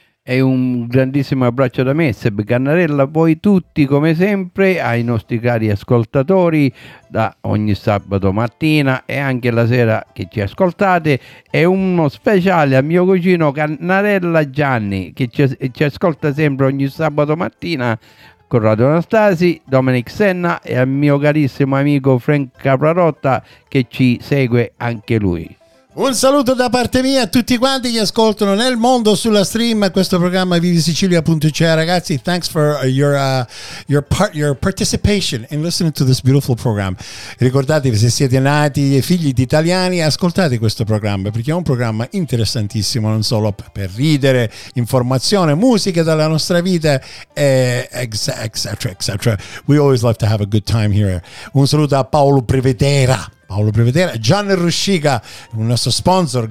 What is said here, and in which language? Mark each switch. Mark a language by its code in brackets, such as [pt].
[it] E un grandissimo abbraccio da me, Seb Cannarella, a voi tutti come sempre, ai nostri cari ascoltatori da ogni sabato mattina e anche la sera che ci ascoltate, e uno speciale a mio cugino Cannarella Gianni che ci ascolta sempre ogni sabato mattina con Radio Anastasi, Dominic Senna, e al mio carissimo amico Frank Caprarotta che ci segue anche lui. Un saluto da parte mia a tutti quanti che ascoltano nel mondo sulla stream questo programma vivisicilia.ch. [en] Ragazzi, thanks for your participation in listening to this beautiful program. [it] Ricordatevi, se siete nati figli di italiani, ascoltate questo programma perché è un programma interessantissimo, non solo per ridere, informazione, musica dalla nostra vita, etc. [en] We always love to have a good time here. [it] Un saluto a Paolo Prevedera, Gianni Ruscica, il nostro sponsor.